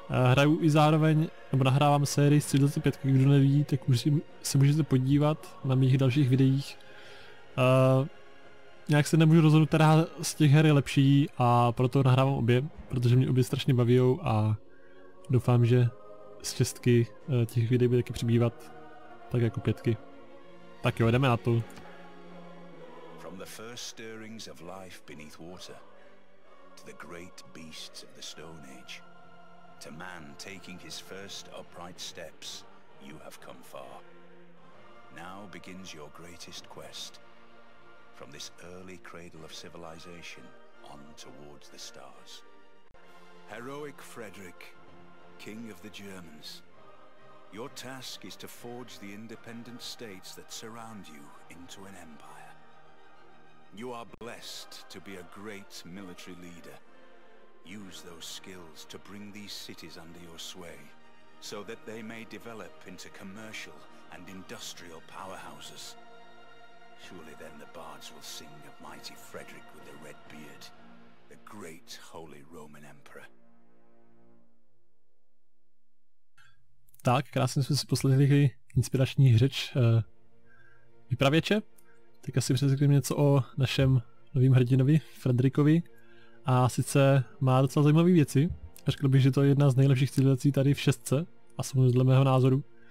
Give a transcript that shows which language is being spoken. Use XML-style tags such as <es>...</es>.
<cs>Hraju i zároveň, nebo nahrávám sérii z Civilizace 5, kdo neví, tak už se můžete podívat na mých dalších videích. Nějak se nemůžu rozhodnout, která z těch her je lepší a proto nahrávám obě, protože mě obě strašně bavijou a doufám, že z šestky těch videí bude taky přibývat tak jako 5. Tak jo, jdeme na to.</cs> <en>From the first stirrings of life beneath water to the great beasts of the Stone Age to man taking his first upright steps, you have come far. Now begins your greatest quest. From this early cradle of civilization on towards the stars. Heroic Frederick, King of the Germans, your task is to forge the independent states that surround you into an empire. You are blessed to be a great military leader. Use those skills to bring these cities under your sway so that they may develop into commercial and industrial powerhouses. Surely then the bards will sing of mighty Frederick with the red beard, the great Holy Roman Emperor.</en> <cs>Tak, krásně jsme si poslechli inspirační řeč vypravěče. Teď asi přesvědčíme něco o našem novým hrdinovi, Frederikovi. A sice má docela zajímavé věci. Řekl bych, že to je jedna z nejlepších civilizací tady v šestce, a samozřejmě dle mého názoru.</cs>